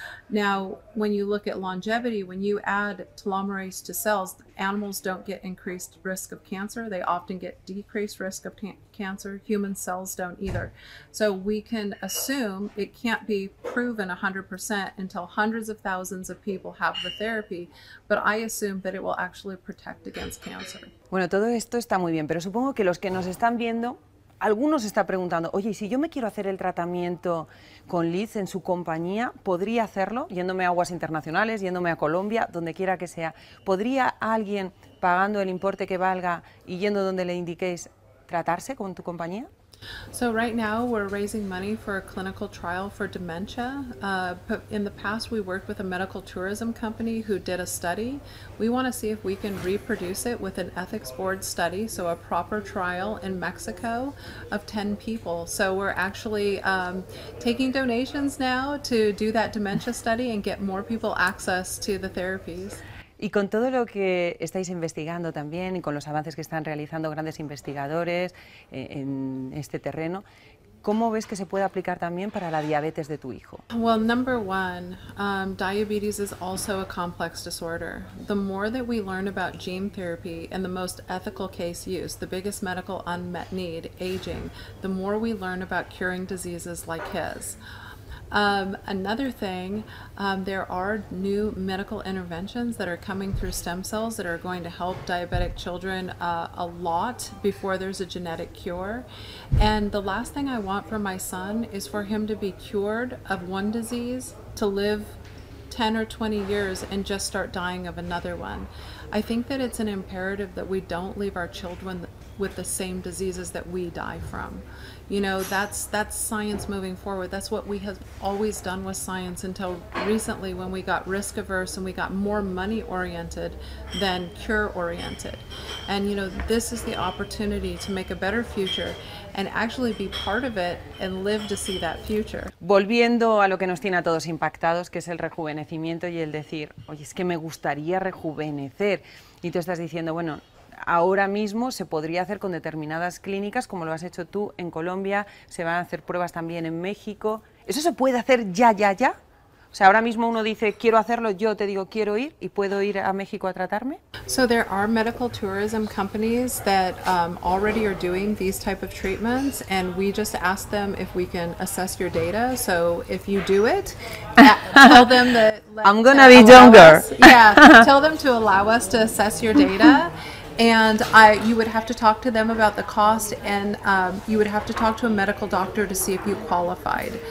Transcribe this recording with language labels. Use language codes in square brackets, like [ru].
[en] Now, when you look at longevity, when you add telomerase to cells, animals don't get increased risk of cancer. They often get decreased risk of cancer. Human cells don't either. So we can assume it can't be proven 100% until hundreds of thousands of people have the therapy, but I assume that it will actually protect against cancer. [es] Bueno, todo esto está muy bien, pero supongo que los que nos están viendo, algunos están preguntando, oye, si yo me quiero hacer el tratamiento con Liz en su compañía, ¿podría hacerlo yéndome a aguas internacionales, yéndome a Colombia, donde quiera que sea? ¿Podría alguien, pagando el importe que valga y yendo donde le indiquéis, tratarse con tu compañía? [en] So right now we're raising money for a clinical trial for dementia. In the past we worked with a medical tourism company who did a study. We want to see if we can reproduce it with an ethics board study, so a proper trial in Mexico of 10 people. So we're actually taking donations now to do that dementia study and get more people access to the therapies. [es] Y con todo lo que estáis investigando también y con los avances que están realizando grandes investigadores en este terreno, ¿cómo ves que se puede aplicar también para la diabetes de tu hijo? [en] Well, number one, diabetes is also a complex disorder. The more that we learn about gene therapy and the most ethical case use, the biggest medical unmet need, aging, the more we learn about curing diseases like his. Another thing, there are new medical interventions that are coming through stem cells that are going to help diabetic children a lot before there's a genetic cure. And the last thing I want for my son is for him to be cured of one disease, to live 10 or 20 years and just start dying of another one. I think that it's an imperative that we don't leave our children with the same diseases that we die from. You know, that's science moving forward. That's what we have always done with science until recently when we got risk averse and we got more money oriented than cure oriented. And you know, this is the opportunity to make a better future and actually be part of it and live to see that future. [es] Volviendo a lo que nos tiene a todos impactados, que es el rejuvenecimiento y el decir, oye, es que me gustaría rejuvenecer. Y tú estás diciendo, bueno, ahora mismo se podría hacer con determinadas clínicas, como lo has hecho tú en Colombia, se van a hacer pruebas también en México. ¿Eso se puede hacer ya, ya, ya? O sea, ahora mismo uno dice, quiero hacerlo, yo te digo, quiero ir, ¿y puedo ir a México a tratarme? [en] So there are medical tourism companies that already are doing these type of treatments, and we just ask them if we can assess your data. So if you do it, tell them that... I'm gonna be younger. Tell them to allow us to assess your data. And you would have to talk to them about the cost, and you would have to talk to a medical doctor to see if you qualified.